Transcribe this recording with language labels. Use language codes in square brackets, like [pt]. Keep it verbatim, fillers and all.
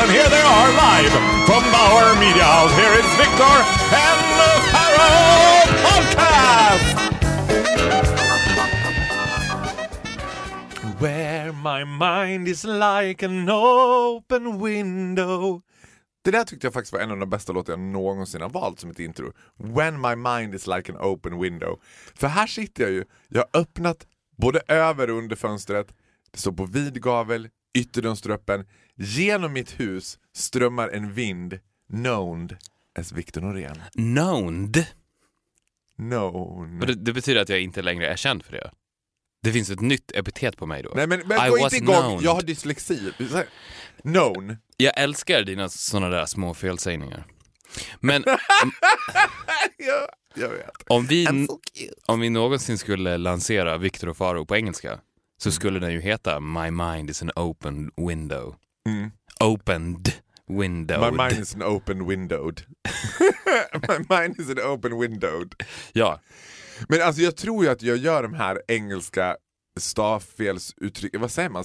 [en] And here they are live from Bauer Media House. Here is Victor and the Pharaoh Podcast. Where my mind is like an open window. [sv] Det där tyckte jag faktiskt var en av de bästa låtar jag någonsin har valt som ett intro. [en] When my mind is like an open window. [sv] För här sitter jag ju, jag har öppnat både över och under fönstret. Det står på vidgavel, ytterdörrströppen. Genom mitt hus strömmar en vind. [en] Known as Victor Norén. Known? Known. [sv] Det, det betyder att jag inte längre är känd för det. Det finns ett nytt epitet på mig då. Nej, men, men gå inte igång. Known. Jag har dyslexi. Known. Jag älskar dina sådana där små felsägningar. Men... ja. Jag vet. Om vi, so om vi någonsin skulle lansera Victor och Faro på engelska så skulle den ju heta [en] My mind is an open window. Mm. Opened window. My mind is an open windowed. My mind is an open windowed. [sv] Ja. Men alltså jag tror ju att jag gör de här engelska stavfelsuttryck, vad säger man?